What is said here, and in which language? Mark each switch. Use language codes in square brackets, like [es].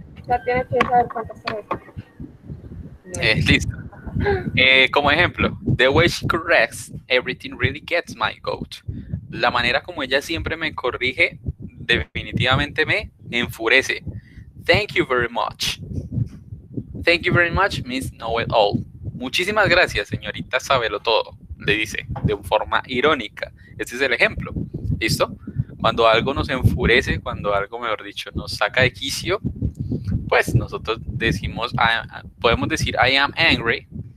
[es] Ya tienes que saber cuántas son. Listo. Como ejemplo, [en] the way she corrects everything really gets my goat. [es] La manera como ella siempre me corrige definitivamente me enfurece. [en] Thank you very much. Thank you very much means know it all. [es] Muchísimas gracias, señorita sábelo todo, le dice de forma irónica. Este es el ejemplo, ¿listo? Cuando algo nos enfurece, cuando algo, mejor dicho, nos saca de quicio, pues nosotros podemos decir [en] I am angry.